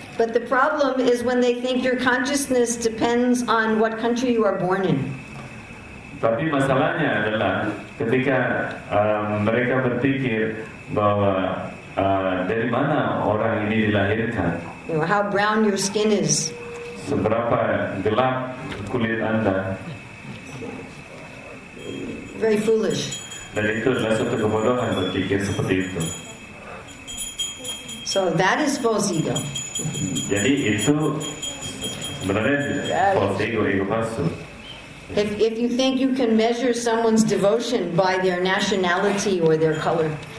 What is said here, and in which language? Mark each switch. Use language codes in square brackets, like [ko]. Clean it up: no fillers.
[en] But the problem is when they think your consciousness depends on what country you are born in. [id] Tapi masalahnya adalah ketika mereka berpikir bahwa dari mana orang ini dilahirkan. [en] You know, how brown your skin is. [id] Seberapa gelap kulit Anda. [en] Very foolish. [id] Dan itu adalah suatu kebodohan berpikir seperti itu. [en] So that is false ego. [id] Jadi itu sebenarnya [en] false ego, [id] ego palsu. [en] If you think you can measure someone's devotion by their nationality or their color.